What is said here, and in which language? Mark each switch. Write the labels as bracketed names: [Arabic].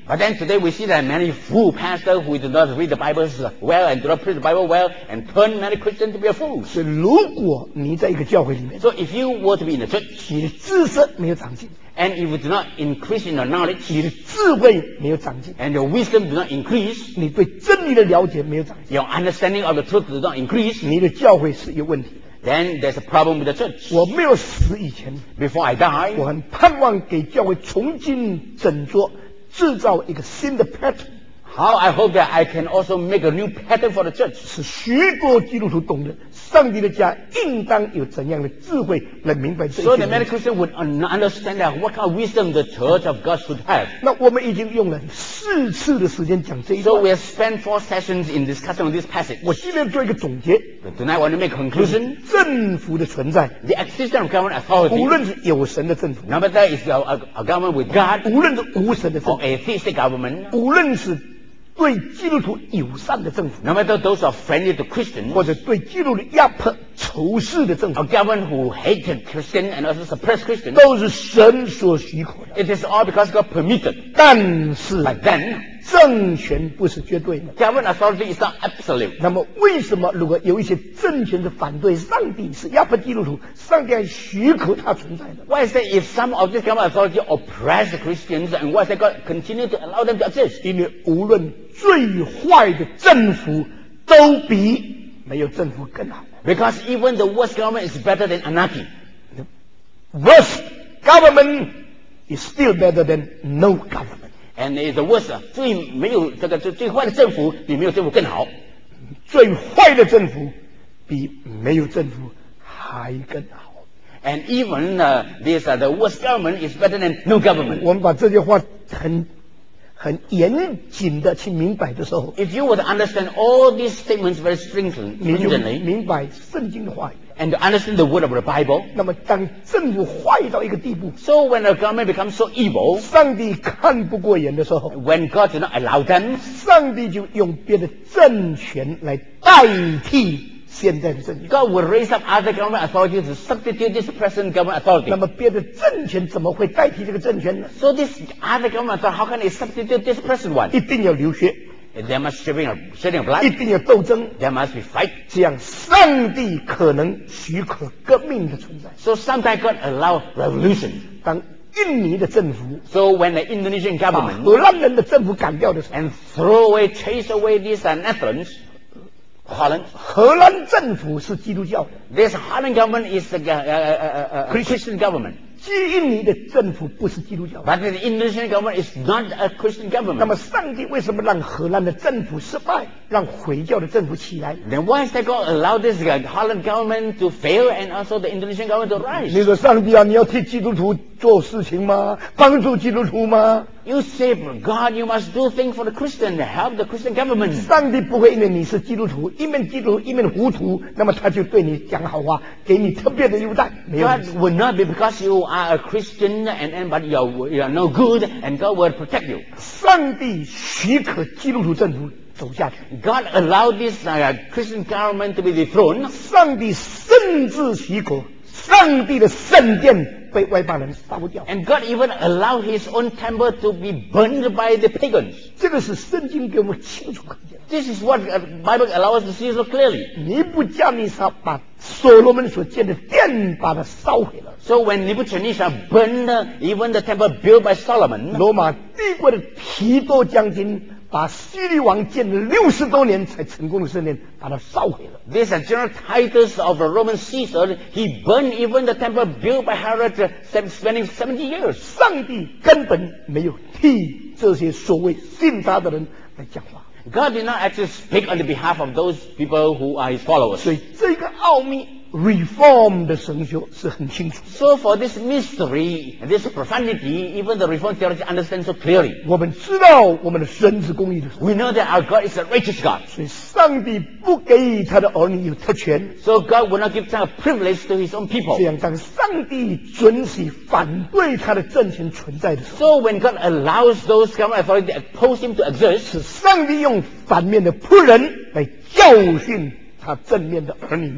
[English] But then today we see that many fool pastors who do not read the Bible well and do not preach the Bible well and turn many Christians to be a fool. [Chinese] 所以如果你在一个教会里面 [English] So if you were to be in the church, [Chinese] 你的知识没有长进 [English] And if you do not increase in the knowledge, [Chinese] 你的智慧没有长进 [English] And your wisdom do not increase, [Chinese] 你对真理的了解没有长进 [English] Your understanding of the truth do not increase, [Chinese] 你的教会是有问题 [English] Then there's a problem with the church. [Chinese] 我没有死以前 [English] Before I die, [Chinese] 我很盼望给教会重新整座制造一个新的 pattern。 [English] How I hope that I can also make a new pattern for the church. [Chinese] 是许多基督徒懂得上帝的家应当有怎样的智慧来明白这些。 [English] So the many Christians would understand that what kind of wisdom the church of God should have. [Chinese] 那我们已经用了四次的时间讲这一段。 [English] So we have spent 4 sessions in discussing this passage. [Chinese] 我今天做一个总结。 [English] But tonight I want to make a conclusion. [Chinese] 政府的存在。 [English] The existence of government authority. [Chinese] 无论是有神的政府。 [English] No matter if it's a government with God. [Chinese] 无论是无神的政府。 [English] Or a theistic government. [Chinese] 无论是对基督徒友善的政府 [English] No matter those are friendly to Christians [Chinese] 或者对基督徒压迫仇视的政府 [English] A government who hated Christians and also suppressed Christians [Chinese] 都是神所许可的 [English] It is all because God permitted [Chinese] 但是 [English] But then [Chinese] 政权不是绝对的 [English] Government authority is not absolute [Chinese] 那么为什么如果有一些政权的反对上帝是压迫基督徒上帝还许可他存在的 [English] Why is that if some of this government authority oppress Christians and why is that God continue to allow them to exist [Chinese] 因为无论最坏的政府都比没有政府更好 [English] Because even the worst government is better than anarchy The worst government is still better than no government And the worst [Chinese] 最没有这个最坏的政府比没有政府更好最坏的政府比没有政府还更好 [English] And even the worst government is better than no government [Chinese] 我们把这句话很严谨的去明白的时候 [English] If you would understand all these statements very stringently [Chinese] 明白圣经的话语 [English] And understand the word of the Bible [Chinese] 那么当政府坏到一个地步 [English] So when a government becomes so evil [Chinese] 上帝看不过眼的时候 [English] When God did not allow them [Chinese] 上帝就用别的政权来代替现在的政权 [English] God will raise up other government authorities to substitute this present government authority [Chinese] 那么别的政权怎么会代替这个政权呢 [English] So this other government authority how can it substitute this present one [Chinese] 一定要流血 [English] There must be shedding of blood [Chinese] 一定要斗争 [English] There must be fight [Chinese] 这样上帝可能许可革命的存在 [English] So sometimes God allows revolution [Chinese] 当印尼的政府。 [English] So when the Indonesian government [Chinese] 把荷兰人的政府赶掉的时候 [English] ，and throw away, chase away these Netherlands, Holland, [Chinese] 荷兰政府是基督教的。 [English] This Holland government is a Christian government. [Chinese] 基印尼的政府不是基督教的。 [English] But the Indonesian government is not a Christian government. [Chinese] 那么上帝为什么让荷兰的政府失败，让回教的政府起来 [English] ？Then why is that God allow this Holland government to fail and also the Indonesian government to rise？ [Chinese] 你说上帝啊，你要替基督徒做事情吗？帮助基督徒吗 [English] ？You say, God, you must do things for the Christian to help the Christian government. [Chinese] 上帝不会因为你是基督徒，一面基督徒一面糊涂，那么他就对你讲好话，给你特别的优待。 [English] God will not be because you are a Christian and but you are no good and God will protect you. [Chinese] 上帝许可基督徒政府走下去。 [English] God allowed this Christian government to be dethroned. [Chinese] 上帝甚至许可上帝的圣殿被外邦人烧掉。 [English] And God even allowed His own temple to be burned by the pagans. [Chinese] 这个是圣经给我们清楚看见。 [English] This is what Bible allows us to see so clearly. [Chinese] 尼布加尼撒把所罗门所建的殿把它烧毁了。 [English] So when Nebuchadnezzar burned even the temple built by Solomon, [Chinese] 罗马帝国的提多将军把西律王建了六十多年才成功的圣殿把它烧毁了。 [English] This is General Titus of the Roman Caesar. He burned even the temple built by Herod, spending 70 years. [Chinese] 上帝根本没有替这些所谓信他的人来讲话。 [English] God did not actually speak on the behalf of those people who are his followers. [Chinese] 所以这个奥秘 Reform 的神学是很清楚。 [English] So for this mystery, this profundity, even the Reform theology understands so clearly. [Chinese] 我们知道我们的神是公义的。 [English] We know that our God is a righteous God. [Chinese] 所以上帝不给他的儿女有特权。 [English] So God will not give a privilege to his own people. [Chinese] 这样当上帝准许反对他的政权存在的时候 [English] ，So when God allows those government authority to oppose him to exist, [Chinese] 是上帝用反面的仆人来教训他正面的儿女。